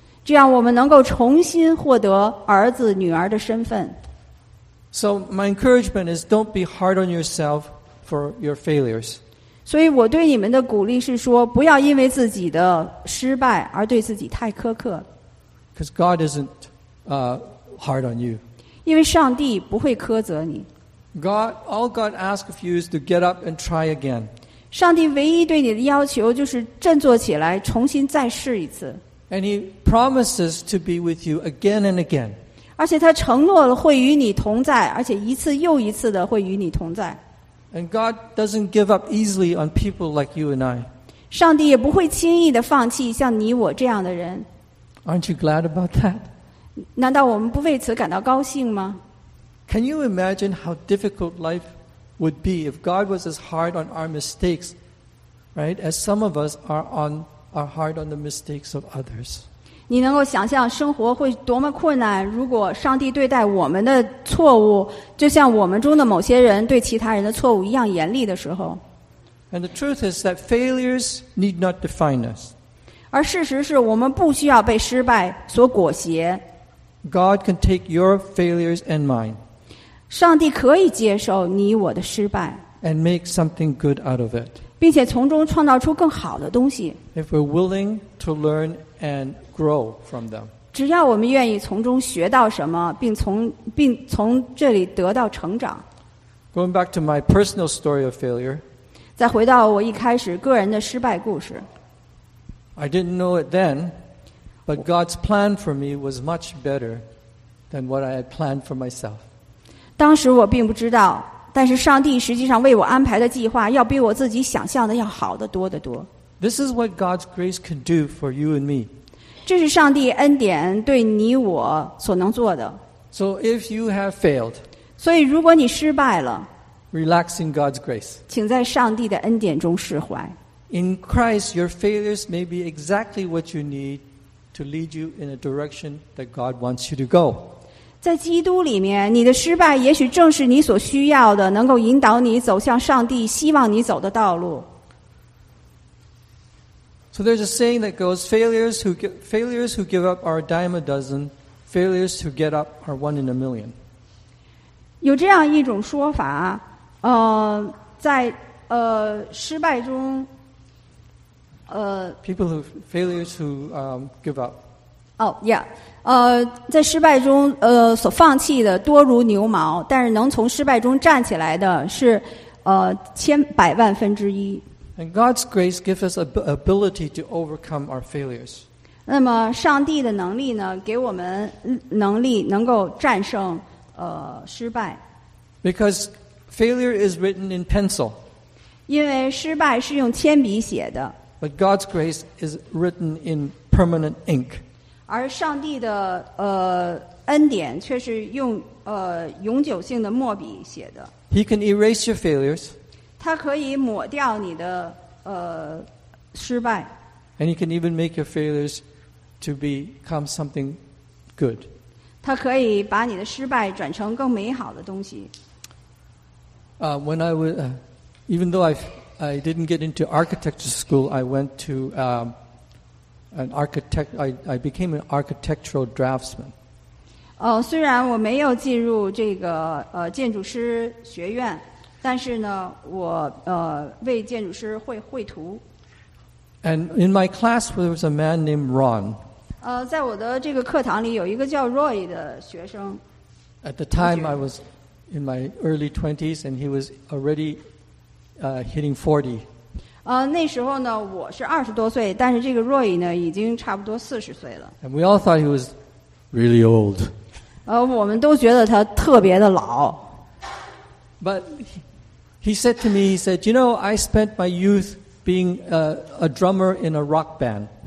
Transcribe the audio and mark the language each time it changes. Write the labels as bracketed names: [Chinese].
[Chinese] 这样我们能够重新获得儿子女儿的身份。 [English] So my encouragement is don't be hard on yourself for your failures. [Chinese] 所以我对你们的鼓励是说，不要因为自己的失败而对自己太苛刻。 [English] Because God isn't hard on you. [Chinese] 因为上帝不会苛责你。 [English] All God asks of you is to get up and try again. [Chinese] 上帝唯一对你的要求就是振作起来，重新再试一次。 [English] And he promises to be with you again and again. [Chinese] 而且他承诺了会与你同在，而且一次又一次的会与你同在。 [English] And God doesn't give up easily on people like you and I. [Chinese] 上帝也不会轻易的放弃像你我这样的人。 [English] Aren't you glad about that? [Chinese] 难道我们不为此感到高兴吗？ [English] Can you imagine how difficult life would be if God was as hard on our mistakes, right, as some of us are hard on the mistakes of others. [Chinese] 你能够想象生活会多么困难，如果上帝对待我们的错误，就像我们中的某些人对其他人的错误一样严厉的时候。 [English] And the truth is that failures need not define us. [Chinese] 而事实是我们不需要被失败所裹挟。 [English] God can take your failures and mine. [Chinese] 上帝可以接受你我的失败。 [English] And make something good out of it. [Chinese] 并且从中创造出更好的东西。 [English] If we're willing to learn and grow from them, [Chinese] 只要我们愿意从中学到什么，并从这里得到成长。 [English] Going back to my personal story of failure, [Chinese] 再回到我一开始个人的失败故事。 [English] I didn't know it then, but God's plan for me was much better than what I had planned for myself. [Chinese] 当时我并不知道。但是上帝实际上为我安排的计划要比我自己想象的要好得多得多。 [English] This is what God's grace can do for you and me. [Chinese] 这是上帝恩典对你我所能做的。 [English] So if you have failed, [Chinese] 所以如果你失败了 [English] relax in God's grace. [Chinese] 请在上帝的恩典中释怀。 [English] In Christ, your failures may be exactly what you need to lead you in a direction that God wants you to go. [Chinese] 在基督里面，你的失败也许正是你所需要的，能够引导你走向上帝希望你走的道路。 [English] So there's a saying that goes, failures who give up are a dime a dozen, failures who get up are one in a million. [Chinese] 有这样一种说法，在失败中， [English] people who failures who give up. Oh yeah, [Chinese] 在失败中所放弃的多如牛毛，但是能从失败中站起来的是千百万分之一。 [English] And God's grace gives us ability to overcome our failures. [Chinese] 那么上帝的能力呢，给我们能力能够战胜失败。 [English] Because failure is written in pencil. [Chinese] 因为失败是用铅笔写的。 [English] But God's grace is written in permanent ink. [Chinese] 而上帝的恩典却是用永久性的墨笔写的。 [English] He can erase your failures. [Chinese] 他可以抹掉你的失败。 [English] And He can even make your failures to become something good. [Chinese] 他可以把你的失败转成更美好的东西。 [English] When I was, even though I didn't get into architecture school. I went to an architect. I became an architectural draftsman. [Chinese] 虽然我没有进入这个建筑师学院，但是呢，我为建筑师绘图。 [English] And in my class, there was a man named Ron. [Chinese] 在我的这个课堂里有一个叫 Roy 的学生。 [English] At the time, I was in my early 20s, and he was already. Hitting 40. [Chinese] 那时候呢，我是二十多岁，但是这个 Roy 呢，已经差不多四十岁了。 [English] And we all thought he was really old. [Chinese] 我们都觉得他特别的老。 [English] But he said to me, he said, "You know, I spent my youth being a drummer in a rock band."